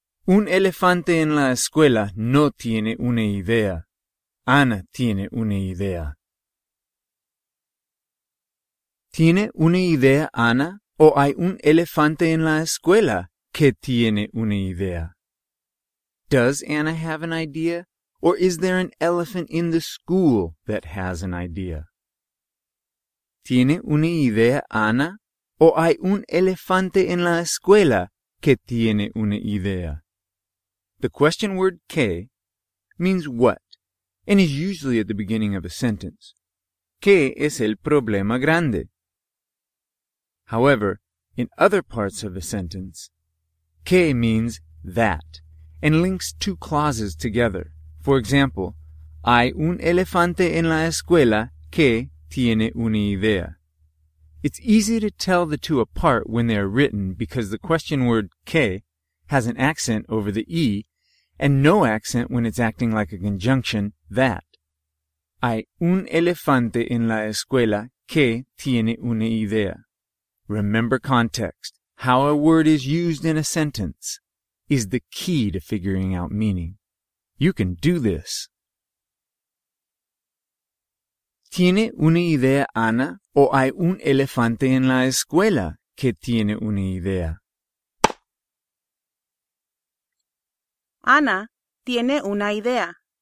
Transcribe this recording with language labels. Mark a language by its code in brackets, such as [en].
[es] Un elefante en la escuela no tiene una idea. Ana tiene una idea. ¿Tiene una idea Ana o hay un elefante en la escuela que tiene una idea? [en] Does Anna have an idea? Or is there an elephant in the school that has an idea? [es] ¿Tiene una idea Ana o hay un elefante en la escuela que tiene una idea? [en] The question word que means what and is usually at the beginning of a sentence. [es] ¿Qué es el problema grande? [en] However, in other parts of a sentence, que means that and links two clauses together. For example, [es] hay un elefante en la escuela que tiene una idea. [en] It's easy to tell the two apart when they are written because the question word que has an accent over the e and no accent when it's acting like a conjunction, that. [es] Hay un elefante en la escuela que tiene una idea. [en] Remember context. How a word is used in a sentence is the key to figuring out meaning. You can do this. [es] ¿Tiene una idea Ana o hay un elefante en la escuela que tiene una idea? Ana tiene una idea.